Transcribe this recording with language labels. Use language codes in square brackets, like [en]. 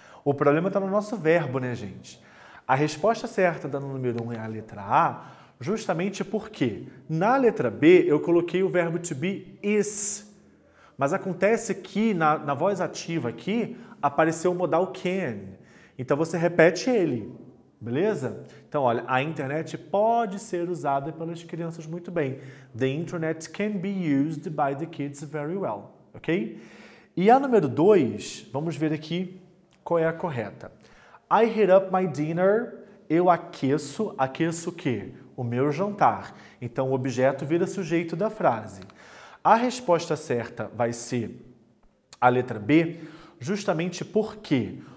[pt] O problema está no nosso verbo, né, gente? A resposta certa da número 1 é a letra A, justamente porque na letra B eu coloquei o verbo to be is. Mas acontece que na voz ativa aqui, apareceu o modal can. Então, você repete ele, beleza? Então, olha, a internet pode ser usada pelas crianças muito bem. [en] The internet can be used by the kids very well, ok? [pt] E a número 2, vamos ver aqui qual é a correta. [en] I heat up my dinner, [pt] eu aqueço, aqueço o quê? O meu jantar. Então, o objeto vira sujeito da frase. A resposta certa vai ser a letra B, justamente porque